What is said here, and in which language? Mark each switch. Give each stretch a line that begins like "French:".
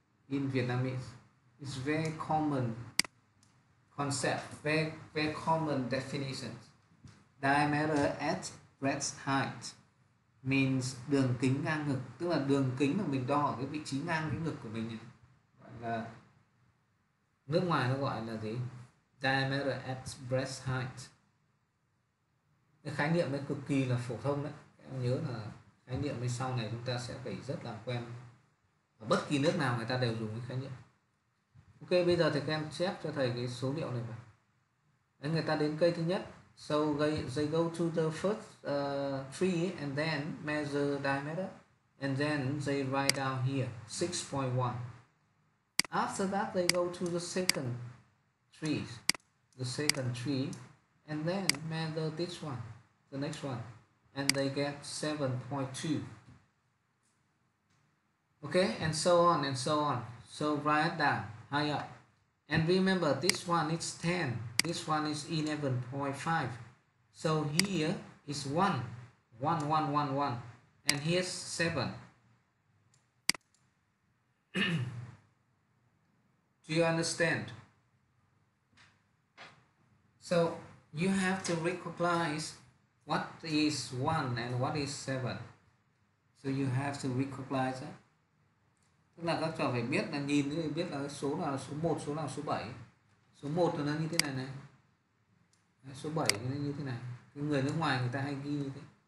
English: In Vietnamese, it's very common concept, very common definition. Diameter at breast height means
Vietnamese: đường kính ngang ngực, tức là đường kính mà mình đo ở cái vị trí ngang cái ngực của mình, gọi là nước ngoài nó gọi là gì, diameter at breast height. Cái khái niệm ấy cực kỳ là phổ thông đấy, em nhớ là khái niệm ấy sau này chúng ta sẽ phải rất là quen. Ở bất kỳ nước nào người ta đều dùng cái khái niệm. Ok, bây giờ thì các em chép cho thầy cái số liệu này vào. Đấy, người ta đến cây thứ nhất.
English: So they go to the first tree and then measure diameter. And then they write down here, 6.1. After that, they go to the second tree. The second tree. And then measure this one, the next one. And they get 7.2. Okay, and so on and so on. So write down higher. And remember, this one is 10. This one is 11.5. So here is 1. 1, 1, 1, 1. And here's 7. Do you understand? So you have to recognize what is 1 and what is 7. So you have to recognize that.
Vietnamese: Tức là các trò phải biết là nhìn thì biết là số nào là số 1, số nào là số 7. Số 1 nó như thế này này. Đấy, số 7 nó như thế này. Cái người nước ngoài người ta hay ghi như thế.